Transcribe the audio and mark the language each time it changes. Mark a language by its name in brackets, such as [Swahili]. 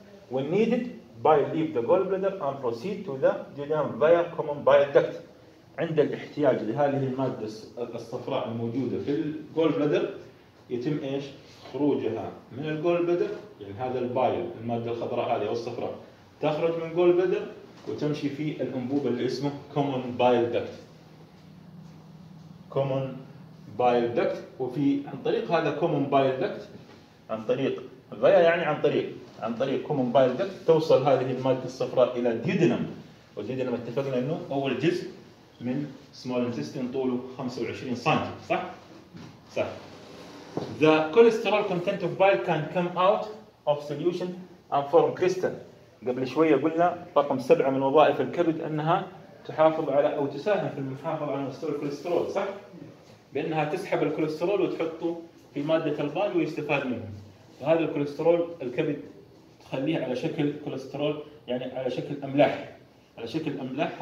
[English] when needed bile leave the gallbladder and proceed to the duodenum via common bile duct. [Arabic] عند الاحتياج لهذه الماده الصفراء الموجوده في gallbladder يتم ايش خروجها من gallbladder، يعني هذا البايل الماده الخضراء هذه والصفراء تخرج من جول بدر وتمشي في الأنبوب اللي اسمه common bile duct. common bile duct، وفي عن طريق هذا common bile duct، عن طريق فيا يعني عن طريق common bile duct توصل هذه المادة الصفراء إلى duodenum. والduodenum اتفقنا إنه أول جزء من small intestine طوله 25 سنتي، صح. [English] the cholesterol content of bile can come out of solution and form crystal. [Arabic] قبل شوية قلنا رقم 7 من وظائف الكبد أنها تحافظ على أو تساهم في المحافظة على مستوى الكوليسترول، صح؟ بأنها تسحب الكوليسترول وتحطه في مادة البايل ويستفاد منه. فهذا الكوليسترول الكبد تخليه على شكل كوليسترول، يعني على شكل أملاح، على شكل أملاح.